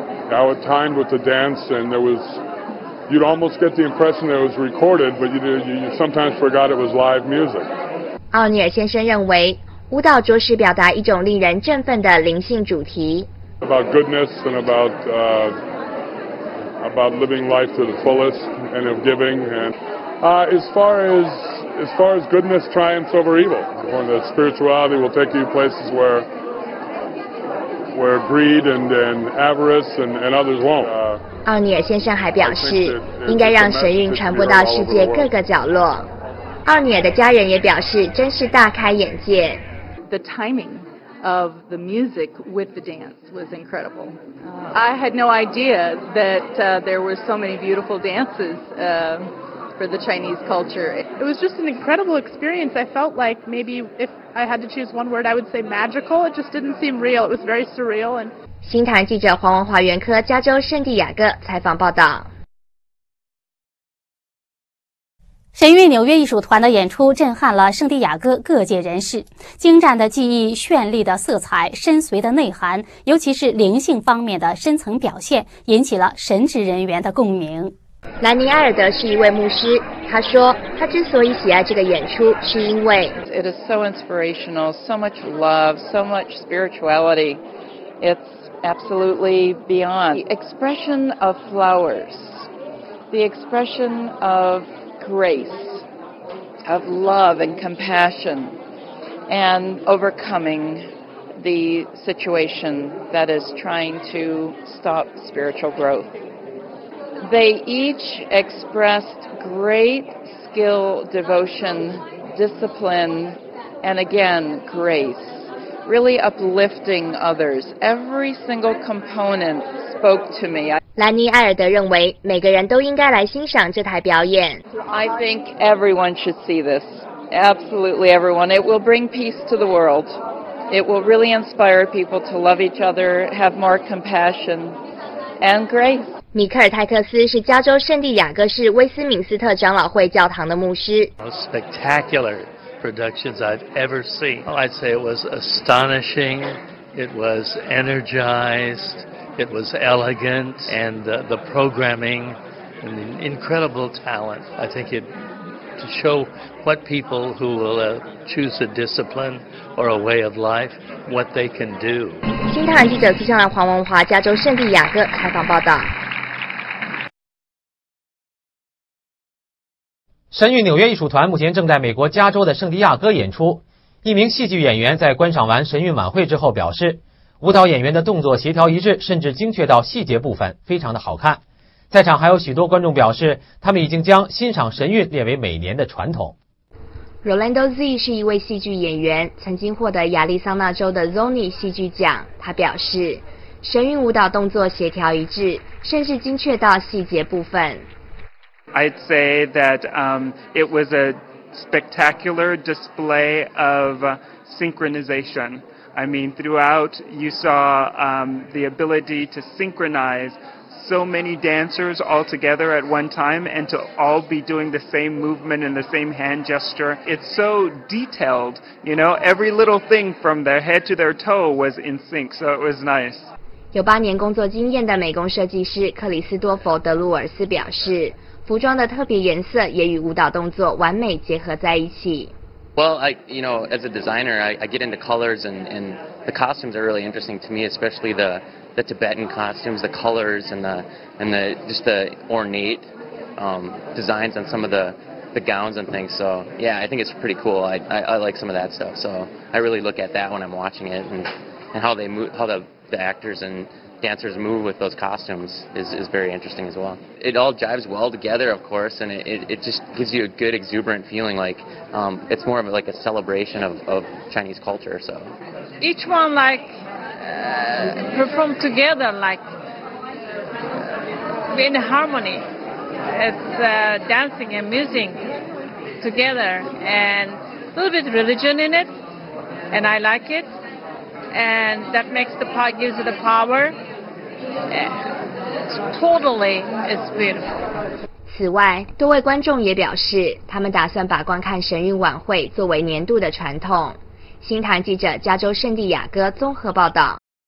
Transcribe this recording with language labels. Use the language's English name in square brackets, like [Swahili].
[English] How it timed with the dance, and there was, you'd almost get the impression that it was recorded, but you sometimes forgot it was live music. [Chinese] 奥尼尔先生认为，舞蹈着实表达一种令人振奋的灵性主题。 [English] About goodness and about living life to the fullest and of giving and. As far as goodness triumphs over evil, or that spirituality will take you places where greed and avarice and others won't. [Chinese] 奥尼尔先生还表示，应该让神韵传播到世界各个角落。奥尼尔的家人也表示，真是大开眼界。 [English] The timing of the music with the dance was incredible. I had no idea that there were so many beautiful dances. For the Chinese culture. It was just an incredible experience. I felt like maybe if I had to choose one word, I would say magical. It just didn't seem real. It was very surreal. [Chinese] 新唐记者黄文华袁科加州圣地亚哥采访报道。神韵纽约艺术团的演出震撼了圣地亚哥各界人士，精湛的技艺、绚丽的色彩、深邃的内涵，尤其是灵性方面的深层表现，引起了神职人员的共鸣。兰尼埃尔德是一位牧师，他说他之所以喜爱这个演出是因为 [English] It is so inspirational, so much love, so much spirituality. It's absolutely beyond. The expression of flowers, the expression of grace, of love and compassion, and overcoming the situation that is trying to stop spiritual growth. They each expressed great skill, devotion, discipline, and again, grace, really uplifting others. Every single component spoke to me. [Chinese] 兰尼埃尔德认为每个人都应该来欣赏这台表演。 [English] I think everyone should see this. Absolutely everyone. It will bring peace to the world. It will really inspire people to love each other, have more compassion, and grace. [Chinese] 米克尔·泰克斯是加州圣地亚哥市威斯敏斯特长老会教堂的牧师。 [English] Most spectacular productions I've ever seen. I'd say it was astonishing. It was energized. It was elegant. And the programming and the incredible talent. I think it to show what people who will choose a discipline or a way of life, what they can do. [Chinese] 新唐人记者气象的黄文华，加州圣地亚哥采访报道。神韵纽约艺术团目前正在美国加州的圣地亚哥演出。一名戏剧演员在观赏完神韵晚会之后表示，舞蹈演员的动作协调一致，甚至精确到细节部分，非常的好看。在场还有许多观众表示，他们已经将欣赏神韵列为每年的传统。 Rolando Z 是一位戏剧演员，曾经获得亚利桑那州的 Zony 戏剧奖。他表示，神韵舞蹈动作协调一致，甚至精确到细节部分。 [English] I'd say that it was a spectacular display of synchronization. I mean, throughout you saw the ability to synchronize so many dancers all together at one time and to all be doing the same movement and the same hand gesture. It's so detailed, you know, every little thing from their head to their toe was in sync, so it was nice. [Chinese] 有八年工作经验的美工设计师克里斯多佛·德鲁尔斯表示，服装的特别颜色也与舞蹈动作完美结合在一起。 [English] Well, I, you know, as a designer, I get into colors and the costumes are really interesting to me, especially the Tibetan costumes, the colors and the just the ornate designs on some of the gowns and things. So, yeah, I think it's pretty cool. I like some of that stuff. So, I really look at that when I'm watching it and how they move, how the actors and dancers move with those costumes is very interesting as well. It all jives well together, of course, and it just gives you a good exuberant feeling. Like it's more of like a celebration of Chinese culture. So each one like perform together like in harmony. It's dancing and music together and a little bit of religion in it, and I like it. And that makes the part, gives it the power. Totally, it's beautiful. [Chinese] 此外，多位观众也表示，他们打算把观看神韵晚会作为年度的传统。新唐记者加州圣地亚哥综合报道。